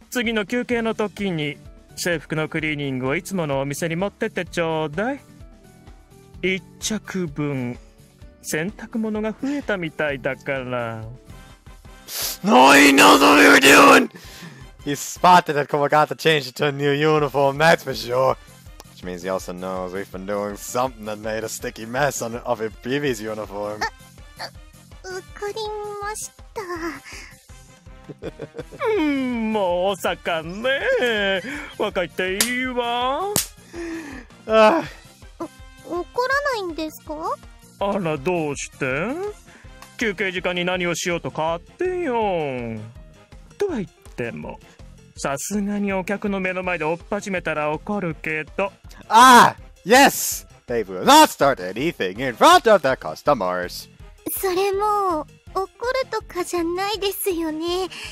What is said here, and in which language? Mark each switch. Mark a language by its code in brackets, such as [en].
[ja] 次の休憩の時に制服のクリーニングをいつものお店に持ってってちょうだい。一着分洗濯物が増えたみたいだから。 [en] No, he knows what we're doing! He spotted that Kamigata changed to a new uniform, that's for sure. Which means he also knows we've been doing something that made a sticky mess on of his previous uniform. [ja] わかりました. もうおさかね。若いっていいわ。怒らないんですか？あら、どうして？休憩時間に何をしようと勝手よ。とは言っても、さすがにお客の目の前で追っ始めたら怒るけど。 [en] Ah, yes! They will not start anything in front of the customers! [ja] それも、怒るとかじゃないですよね。